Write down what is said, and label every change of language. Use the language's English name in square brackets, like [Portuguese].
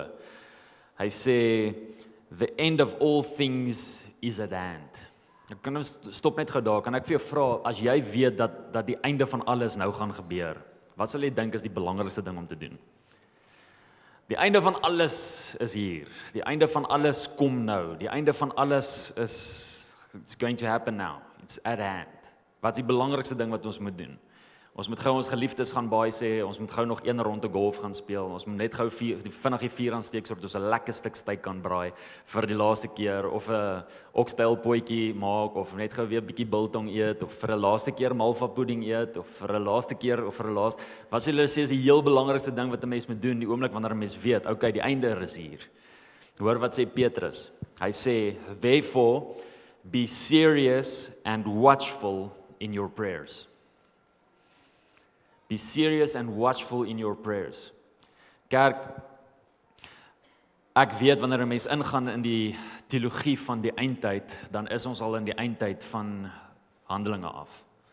[Afrikaans] Hy sê [English] the end of all things is at hand. [Afrikaans] Ek kan stop net gou daar. Kan ek vir jou vra as jy weet dat die einde van alles nou gaan gebeur? Wat sal jy dink is die belangrikste ding om te doen? Die einde van alles is hier. Die einde van alles kom nou. Die einde van alles is [English] it's going to happen now. It's at hand. [Afrikaans] Wat is die belangrikste ding wat ons moet doen? Ons moet gou ons geliefdes gaan baie sê, ons moet gou nog een ronde golf gaan speel. Ons moet net gou vinnig die vuur aansteek sodat ons 'n lekker stuk steak kan braai vir die laaste keer of 'n oxtail potjie maak of net gou weer 'n bietjie biltong eet of vir 'n laaste keer malva pudding eet of vir 'n laaste keer of vir 'n laaste wat hulle sê is die heel belangrikste ding wat 'n mens moet doen die oomblik wanneer 'n mens weet, okay, die einde is hier. Hoor wat sê Petrus. Hy sê, [English] "Therefore, be serious and watchful in your prayers." Be serious and watchful in your prayers. [Afrikaans] Kerk, ek weet wanneer 'n mens ingaan in die teologie van die eindtyd, dan is ons al in die eindtyd van Handelinge af.